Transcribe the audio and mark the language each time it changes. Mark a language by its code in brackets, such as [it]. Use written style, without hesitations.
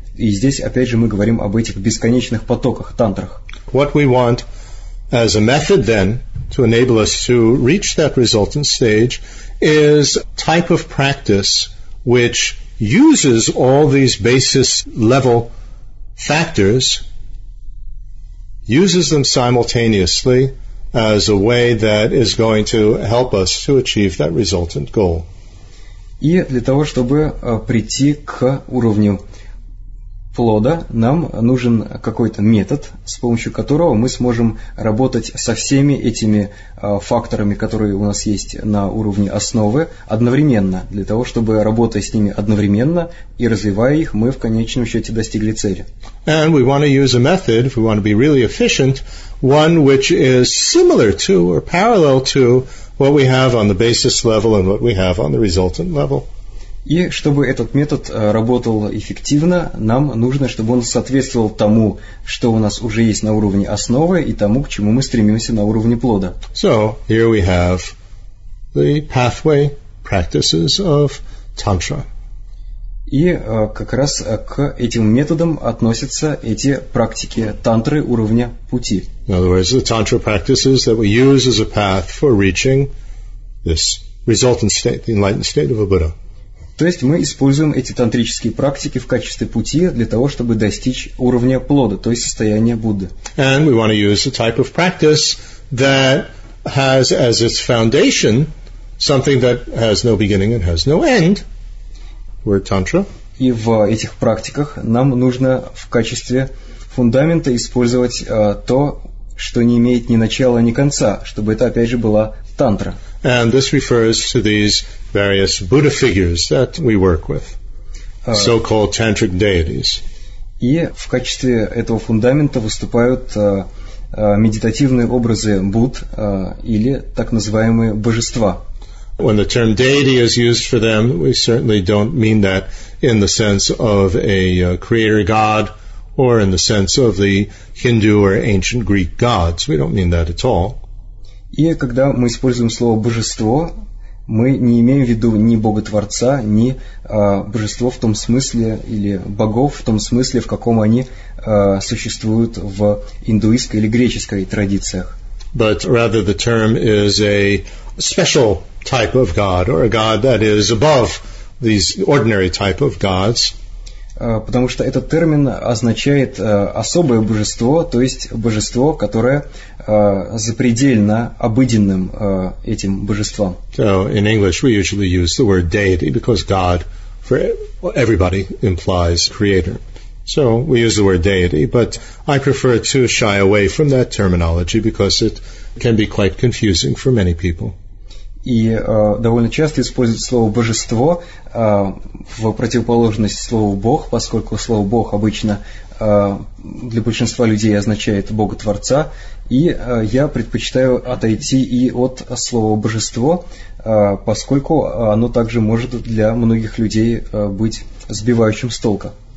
[ru] И здесь, опять же, мы говорим об этих бесконечных потоках, тантрах. [en] What we want as a method, then, to enable us to reach that resultant stage is type of practice which uses all these basis level factors, uses them simultaneously as a way that is going to help us to achieve that resultant goal. [ru] И для того, чтобы прийти к уровню плода, нам нужен какой-то метод, с помощью которого мы сможем работать со всеми этими факторами, которые у нас есть на уровне основы, одновременно. Для того, чтобы, работая с ними одновременно и развивая их, мы в конечном счете достигли цели. [en] And we want to use a method, if we want to be really efficient, one which is similar to or parallel to what we have on the basis level and what we have on the resultant level. [ru] И чтобы этот метод работал эффективно, нам нужно, чтобы он соответствовал тому, что у нас уже есть на уровне основы, и тому, к чему мы стремимся на уровне плода. [en] So, here we have the pathway practices of Tantra. [ru] И как раз к этим методам относятся эти практики тантры уровня пути. [en] In other words, the Tantra practices that we use as a path for reaching this resultant state, the enlightened state of a Buddha. [ru] То есть мы используем эти тантрические практики в качестве пути для того, чтобы достичь уровня плода, то есть состояния Будды. [en] And we want to use a type of practice that has as its foundation something that has no beginning and has no end. Word Tantra. [ru] И в этих практиках нам нужно в качестве фундамента использовать то, что не имеет ни начала, ни конца, чтобы это, опять же, была тантра. [en] And this refers to these various Buddha figures that we work with, so-called tantric deities. [ru] И в качестве этого фундамента выступают медитативные образы Будд, или так называемые божества. [en] When the term deity is used for them, we certainly don't mean that in the sense of a creator god, or in the sense of the Hindu or ancient Greek gods. We don't mean that at all. [ru] И когда мы используем слово «божество», мы не имеем в виду ни бога-творца, ни божество в том смысле, или богов в том смысле, в каком они существуют в индуистской или греческой традициях. [en] But rather the term is a special type of god, or a god that is above these ordinary type of gods. [ru] потому что этот термин означает особое божество, то есть божество, которое запредельно обыденным этим божеством. [en] So in English we usually use the word deity, because God for everybody implies creator. So we use the word deity, but I prefer to shy away from that terminology because it can be quite confusing for many people. [ru] И довольно часто используют слово «божество» в противоположность слову «бог», поскольку слово «бог» обычно для большинства людей означает «бога-творца», и я предпочитаю отойти и от слова «божество», поскольку оно также может для многих людей быть сбивающим с толка.